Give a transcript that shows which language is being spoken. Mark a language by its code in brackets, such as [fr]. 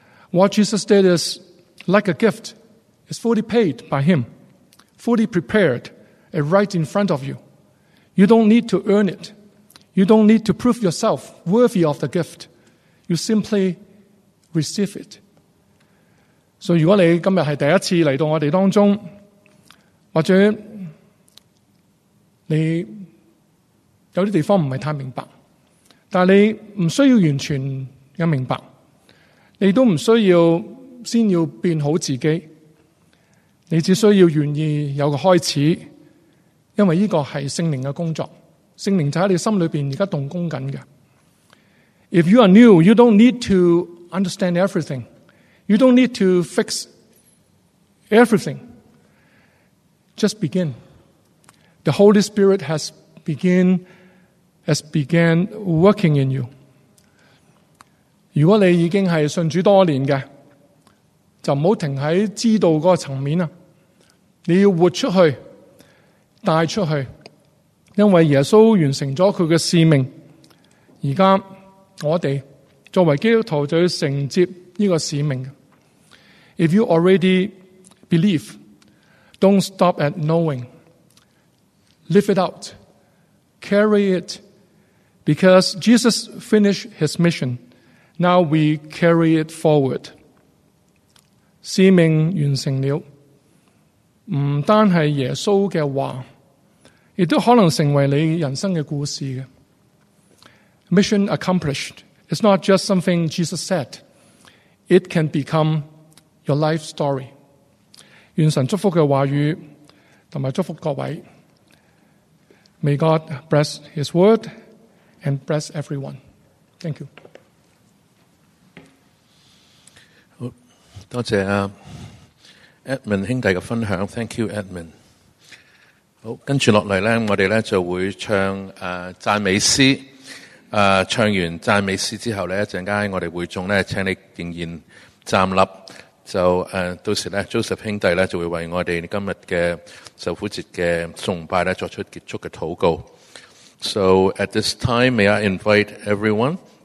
[en] What Jesus did is like a gift, is fully paid by Him, fully prepared, right in front of you. You don't need to earn it. You don't need to prove yourself worthy of the gift. You simply receive it. [yue] So, 如果你今日是第一次来到我们当中，或者你有些地方不是太明白，但你不需要完全的明白，你都不需要先要变好自己，你只需要愿意有个开始，因为这个是圣灵的工作。圣灵就在你心里面现在动工的。 [en] If you are new, you don't need to understand everything. You don't need to fix everything. Just begin. The Holy Spirit has begun working in you. [yue] 如果你已经是信主多年的，就不要停在知道的层面。你要活出去，带出去。因为耶稣完成了他的使命，现在我们作为基督徒就要承接这个使命。 [en] If you already believe, don't stop at knowing. Live it out. Carry it. Because Jesus finished his mission, now we carry it forward. [yue] 使命完成了，不单是耶稣的话，亦都可能成为你人生的故事。 [en] Mission accomplished. It's not just something Jesus said. It can become your life story. [yue] 愿神祝福的话语同埋祝福各位。 [en] May God bless his word and bless everyone. Thank you. [yue] 好，多谢Edmund 兄弟的分享。 [en] Thank you, Edmund. [yue] 好，跟住落嚟咧，我哋咧就会唱赞美诗。唱完赞美诗之后咧，一阵间我哋会众咧，请你仍然站立。就到时咧 ，Joseph 兄弟咧就会为我哋今日嘅受苦节嘅崇拜咧作出结束嘅祷告。 [en] So at this time, may I invite everyone?